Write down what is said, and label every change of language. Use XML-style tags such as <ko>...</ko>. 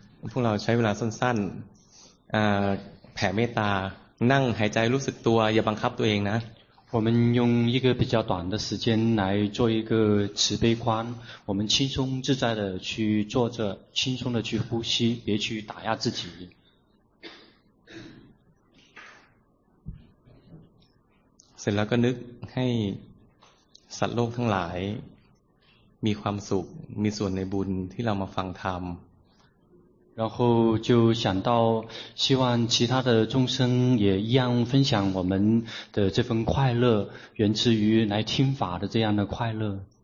<th>พวกเราใช้เวลาสั้นๆแผ่เมตตานั่งหายใจรู้สึกตัวอย่าบังคับตัวเองนะ</th> <zh>我们用一个比较短的时间来做一个慈悲观我们轻松自在的去坐着轻松的去呼吸别去打压自己</zh> <th>เสร็จแล้วก็นึกให้สัตว์โลกทั้งหลายมีความสุขมีส่วนในบุญที่เรามาฟังธรรม</th> <zh>然后就想到希望其他的众生也一样分享我们的这份快乐源自于来听法的这样的快乐</zh>